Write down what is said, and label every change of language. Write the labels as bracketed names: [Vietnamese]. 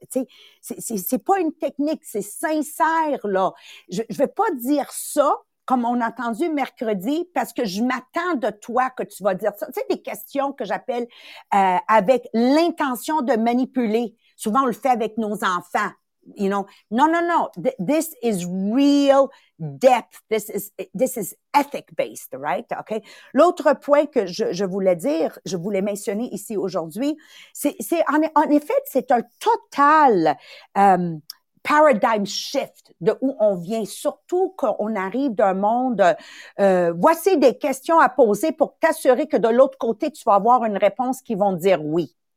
[French] Tu sais, c'est pas une technique, c'est sincère, là. Je vais pas dire ça comme on a entendu mercredi, parce que je m'attends de toi que tu vas dire ça. Tu sais, des questions que j'appelle avec l'intention de manipuler. Souvent, on le fait avec nos enfants, [English] you know. Non, non, non. This is real depth. This is ethic-based, right? Okay. [French] L'autre point que je voulais mentionner ici aujourd'hui, c'est en effet, c'est un total paradigm shift de où on vient, surtout qu'on arrive d'un monde, voici des questions à poser pour t'assurer que de l'autre côté, tu vas avoir une réponse qui vont dire oui.